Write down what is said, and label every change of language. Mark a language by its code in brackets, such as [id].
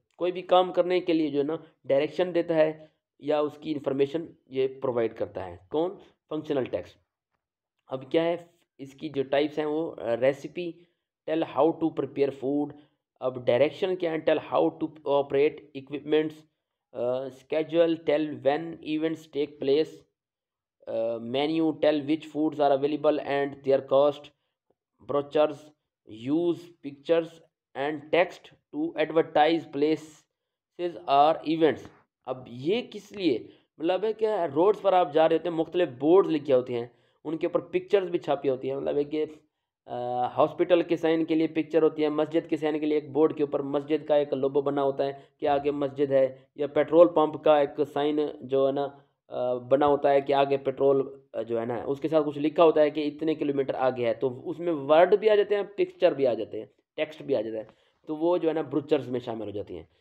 [ur] کوئی بھی کام کرنے کے لیے جو ہے نا ڈائریکشن دیتا ہے یا اس کی انفارمیشن یہ پرووائڈ کرتا ہے. کون؟ Functional text. اب کیا ہے، اس کی جو ٹائپس ہیں وہ recipe, tell how to prepare food. اب ڈائریکشن کیا ہے، [en] Tell how to operate equipments. Schedule, tell when events take place. Menu, tell which foods are available and their cost. Brochures, use pictures and text to advertise places or events. [ur] اب یہ کس لیے، مطلب ہے کہ روڈز پر آپ جا رہے ہوتے ہیں، مختلف بورڈز لکھے ہوتے ہیں، ان کے اوپر پکچرز بھی چھاپی ہوتی ہیں، مطلب ہے کہ ہاسپٹل کے سائن کے لیے پکچر ہوتی ہے، مسجد کے سائن کے لیے ایک بورڈ کے اوپر مسجد کا ایک لوگو بنا ہوتا ہے کہ آگے مسجد ہے، یا پیٹرول پمپ کا ایک سائن جو ہے نا بنا ہوتا ہے کہ آگے پیٹرول جو ہے نا، اس کے ساتھ کچھ لکھا ہوتا ہے کہ اتنے کلو میٹر آگے ہے. تو اس میں ورڈ بھی آ جاتے ہیں، پکچر بھی آ جاتے ہیں، ٹیکسٹ بھی آ جاتا ہے، تو وہ جو ہے نا بروچرز میں شامل ہو جاتی ہیں.